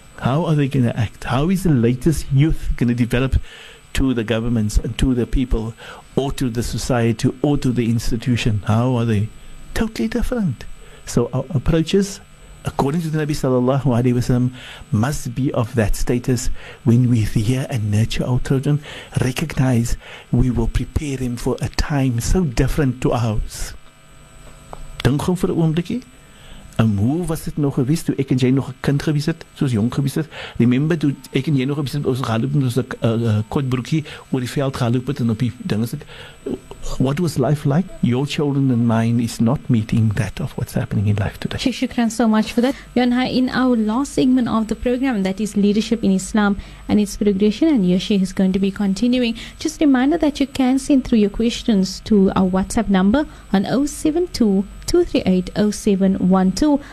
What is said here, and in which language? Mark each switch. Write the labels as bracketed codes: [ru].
[en] How are they going to act? How is the latest youth going to develop to the governments and to the people or to the society or to the institution? How are they? Totally different. So our approaches, according to the Nabi sallallahu alayhi wa sallam, must be of that status. When we rear and nurture our children, recognize we will prepare them for a time so different to ours. [af] Dink gou vir 'n oomblikie. En hoe was dit nog gewees toe ek en jy nog 'n kind gewees het, soos jong gewees het? Remember toe ek en jy nog 'n bietjie ons gehaloop het, ons kort broekie oor die veld gehaloop het en op die dinges. [en] What was life like? Your children and mine is not meeting that of what's happening in life today. Shukran so much for that. Yonha, in our last segment of the program, that is Leadership in Islam and its Progression, and Yoshi is going to be continuing. Just a reminder that you can send through your questions to our WhatsApp number on 072-238-0712.